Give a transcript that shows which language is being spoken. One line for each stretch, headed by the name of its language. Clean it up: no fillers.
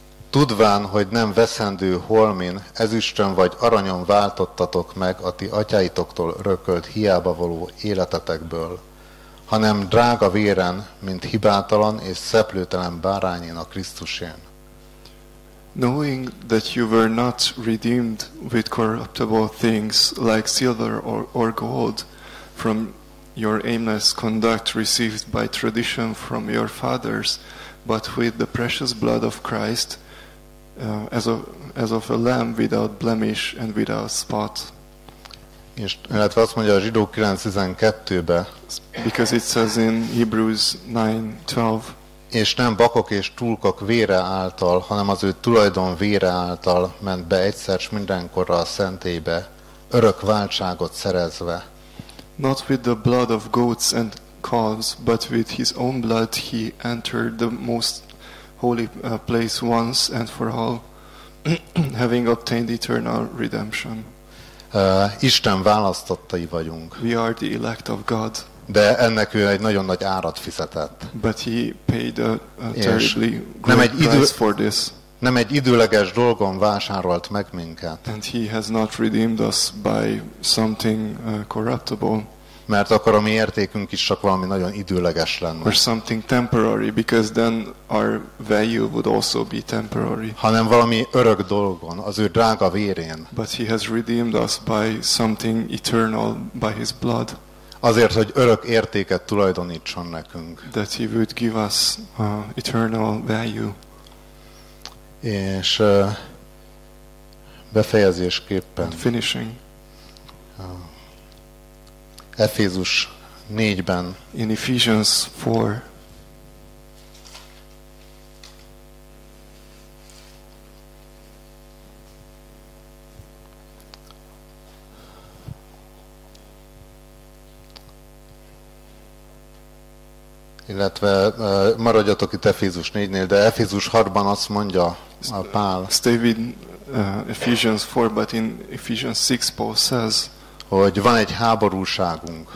Hungarian: Tudván, hogy nem veszendő holmin, ezüstön vagy aranyon váltottatok meg a ti atyáitoktól örökölt hiába való életetekből, hanem drága véren, mint hibátalan és szeplőtelen bárányén a Krisztusén.
English: Knowing that you were not redeemed with corruptible things like silver or gold from your aimless conduct received by tradition from your fathers, but with the precious blood of Christ, as of a lamb without blemish and without spot.
Hungarian: És lehet azt mondja a Zsidók 9:12-be.
English: Because it says in Hebrews 9:12.
Hungarian: És nem bakok és túlkak vére által, hanem az ő tulajdon vére által ment be egyszer s mindenkorra a szentélybe, örök váltságot szerezve.
English: Not with the blood of goats and calves, but with his own blood he entered the most holy place once and for all, having obtained eternal redemption.
Hungarian: Isten választottai vagyunk.
English: We are the elect of God.
Hungarian: De ennek ő egy nagyon nagy árat fizetett.
English: But he paid a terribly great price for this.
Hungarian: Nem egy időleges dolgon vásárolt meg minket.
English: And he has not redeemed us by something corruptible.
Hungarian: Mert akkor a mi értékünk is csak valami nagyon időleges lenne.
English: Or something temporary, because then our value would also be temporary.
Hungarian: Hanem valami örök dolgon, az ő drága vérén.
English: But he has redeemed us by something eternal, by his blood.
Hungarian: Azért, hogy örök értéket tulajdonítson nekünk.
English: That he would give us eternal value.
Hungarian: És befejezésképpen
English: finishing.
Hungarian: Efézus 4-ben
English: in Ephesians 4
Hungarian: Illetve maradjatok itt Efézus 4-nél, de Efézus 6-ban azt mondja a Pál.
English: Stay with Ephesians 4, but in Ephesians 6 Paul says,
Hungarian: hogy van egy háborúságunk.